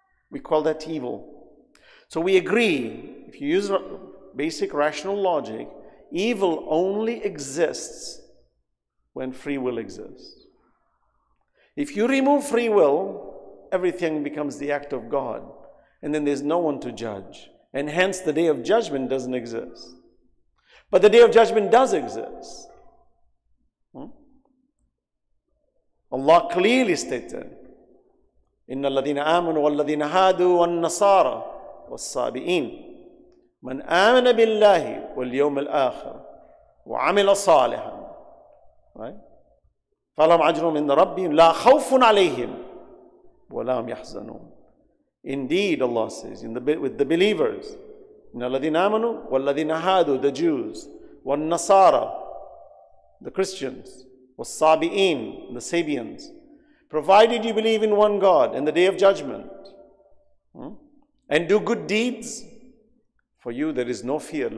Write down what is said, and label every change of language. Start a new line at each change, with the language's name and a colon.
English: We call that evil. So we agree, if you use basic rational logic, evil only exists when free will exists. If you remove free will, everything becomes the act of God, and then there's no one to judge. And hence the day of judgment doesn't exist. But the day of judgment does exist. Allah clearly stated,
Arabic: إِنَّ الَّذِينَ آمَنُوا وَالَّذِينَ هَادُوا وَالنَّصَارَى وَالصَّابِئِينَ مَنْ آمَنَ بِاللَّهِ وَالْيَوْمِ الْآخِرِ وَعَمِلَ صَالِحًا فَلَهُمْ عَجْرٌ مِنْ رَبِّهِمْ لَا خَوْفٌ عَلَيْهِمْ وَلَا هُمْ يَحْزَنُونَ.
English: Indeed, Allah says, with the believers,
Arabic: إِنَّ الَّذِينَ آمَنُوا وَالَّذِينَ هَادُوا,
English: the Jews,
Arabic: وَالنَّصَارَى,
English: the Christians,
Arabic: والصابئين,
English: the Sabians, provided you believe in one God and the Day of Judgment, and do good deeds, for you there is no fear.